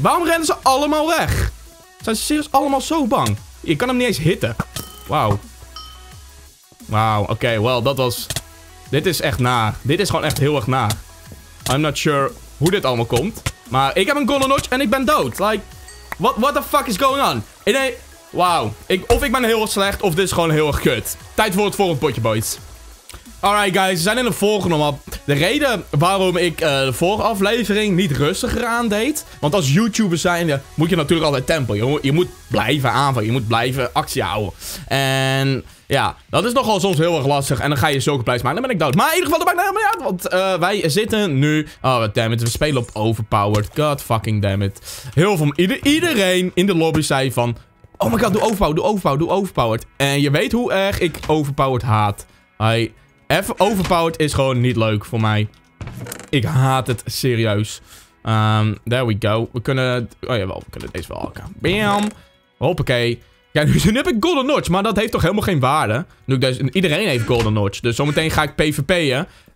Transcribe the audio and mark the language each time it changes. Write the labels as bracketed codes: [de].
[nl] Waarom rennen ze allemaal weg? Zijn ze serieus allemaal zo bang? Je kan hem niet eens hitten. Wauw. Wauw. Oké, wel, dat was... Dit is echt naar. Dit is gewoon echt heel erg naar. [en] I'm not sure [nl] hoe dit allemaal komt. Maar ik heb een golden notch en ik ben dood. [en] Like, what the fuck is going on? [nl] Nee, wauw. Of ik ben heel slecht of dit is gewoon heel erg kut. Tijd voor het volgende potje, boys. [en] Alright, guys. [nl] We zijn in de volgende map. De reden waarom ik de vorige aflevering niet rustiger aandeed. Want als YouTuber zijnde moet je natuurlijk altijd tempo. Je moet blijven aanvallen. Je moet blijven actie houden. En... ja, dat is nogal soms heel erg lastig. En dan ga je zulke plays maken. Dan ben ik dood. Maar in ieder geval, dat maakt helemaal niet uit. Want wij zitten nu... [en] Oh, damn it. [nl] We spelen op overpowered. [en] God fucking damn it. [nl] Heel veel... Iedereen in de lobby zei van... [en] Oh my god, [nl] doe overpowered. En je weet hoe erg ik overpowered haat. Overpowered is gewoon niet leuk voor mij. Ik haat het serieus. [en] There we go. [nl] We kunnen... Oh jawel, we kunnen deze wel hakken. Bam. Hoppakee. Ja, nu heb ik golden notch, maar dat heeft toch helemaal geen waarde? Nu, dus iedereen heeft golden notch. Dus zometeen ga ik PvP'en